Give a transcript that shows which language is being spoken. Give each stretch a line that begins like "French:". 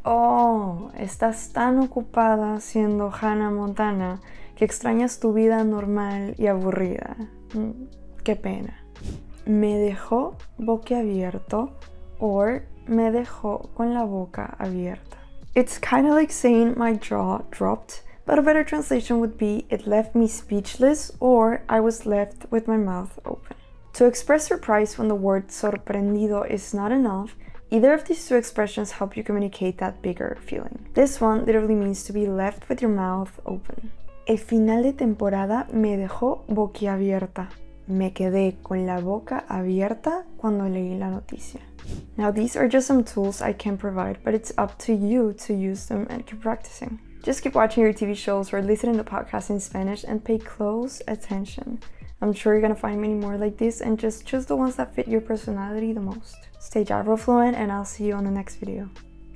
Spanish: Oh, estás tan ocupada siendo Hannah Montana que extrañas tu vida normal y aburrida. Qué pena. Me dejó boquiabierto or me dejó con la boca abierta.
English: It's kind of like saying my jaw dropped, but a better translation would be it left me speechless or I was left with my mouth open. To express surprise when the word sorprendido is not enough, either of these two expressions help you communicate that bigger feeling. This one literally means to be left with your mouth open.
Spanish: El final de temporada me dejó boquiabierta. Me quedé con la boca abierta cuando leí la noticia.
English: Now these are just some tools I can provide, but it's up to you to use them and keep practicing. Just keep watching your TV shows or listening to podcasts in Spanish and pay close attention. I'm sure you're gonna find many more like this and just choose the ones that fit your personality the most. Stay Jiveworld fluent and I'll see you on the next video.